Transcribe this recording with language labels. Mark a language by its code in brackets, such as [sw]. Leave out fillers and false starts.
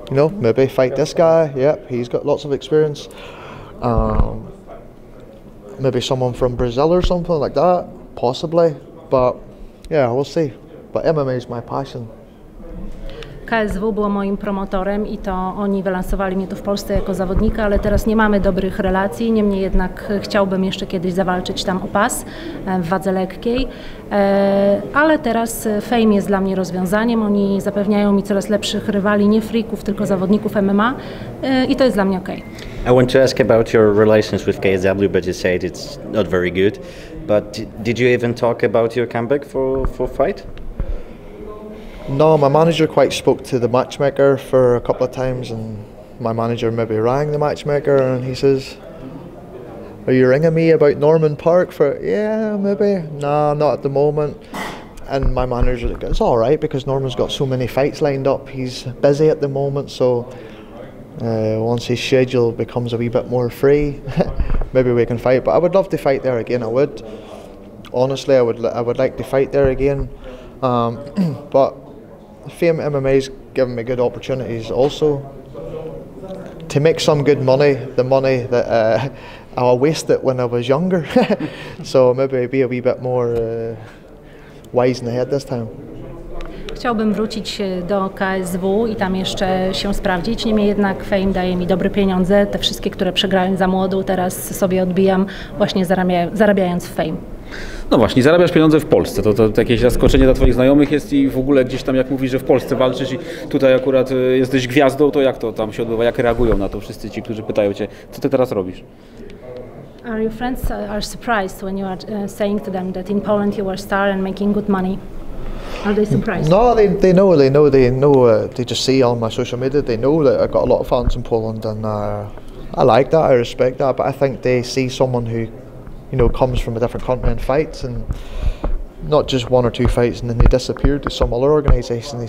[en] You know, maybe fight this guy, yep, he's got lots of experience. Maybe someone from Brazil or something like that, possibly. But yeah, we'll see. But MMA is my passion. [pl] KSW było moim promotorem i to oni wylansowali mnie tu w Polsce jako zawodnika, ale teraz nie mamy dobrych relacji. Niemniej jednak chciałbym jeszcze kiedyś zawalczyć tam o pas w wadze lekkiej. Ale teraz Fame jest dla mnie rozwiązaniem. Oni zapewniają mi coraz lepszych rywali, nie freaków, tylko zawodników MMA i to jest dla mnie okej. [en] I want to ask about your relations with KSW, but you said it's not very good. But did you even talk about your comeback for fight? No, my manager quite spoke to the matchmaker for a couple of times, and my manager maybe rang the matchmaker and he says, are you ringing me about Norman Parke for, yeah, maybe, nah, not at the moment. And my manager's like, it's all right, because Norman's got so many fights lined up, he's busy at the moment, so once his schedule becomes a wee bit more free, maybe we can fight. But I would love to fight there again, I would. Honestly, I would like to fight there again. but Fame MMA's given me good opportunities also to make some good money, the money that I wasted when I was younger. So maybe be a wee bit more wise in the head this time. [pl] Chciałbym wrócić do KSW i tam jeszcze się sprawdzić. Niemniej jednak Fame daje mi dobre pieniądze. Te wszystkie, które przegrałem za młodu, teraz sobie odbijam właśnie zarabiając w Fame. No właśnie, zarabiasz pieniądze w Polsce. To jakieś zaskoczenie dla twoich znajomych jest i w ogóle gdzieś tam, jak mówisz, że w Polsce walczysz i tutaj akurat jesteś gwiazdą, to jak to tam się odbywa? Jak reagują na to wszyscy ci, którzy pytają cię, co ty teraz robisz? [en] Are your friends are surprised when you are saying to them that in Poland you are star and making good money? Are they surprised? No, they know. They just see on my social media. They know that I've got a lot of fans in Poland, and I like that. I respect that. But I think they see someone who, you know, comes from a different country and fights, and not just one or two fights, and then they disappear to some other organization.